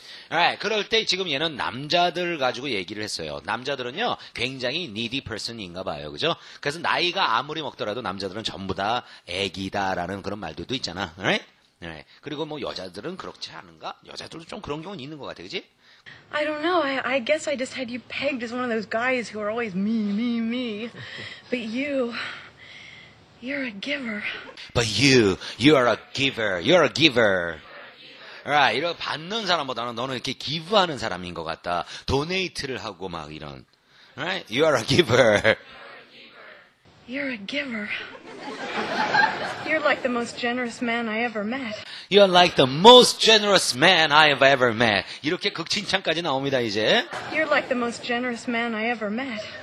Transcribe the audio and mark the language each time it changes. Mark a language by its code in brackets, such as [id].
[ko] Alright, 그럴 때 지금 얘는 남자들 가지고 얘기를 했어요. 남자들은요. 굉장히 needy person인가 봐요. 그죠? 그래서 나이가 아무리 먹더라도 남자들은 전부 다 애기다라는 그런 말들도 있잖아. [en] Alright? Alright. [ko] 그리고 뭐 여자들은 그렇지 않은가? 여자들도 좀 그런 경우는 있는 것 같아. 그지? [en] I don't know. I guess I just had you pegged as one of those guys who are always me, me, me. But you, you're a giver. But you, you are a giver. You're a giver. Alright, [ko] 이런 받는 사람보다는 너는 이렇게 기부하는 사람인 것 같다. 도네이트를 하고 막 이런. [en] Alright, you are a giver. You're a giver. You're like the most generous man I ever met. You're like the most generous man I have ever met. [ko] 이렇게 극칭찬까지 나옵니다, 이제. [en] You're like the most generous man I ever met.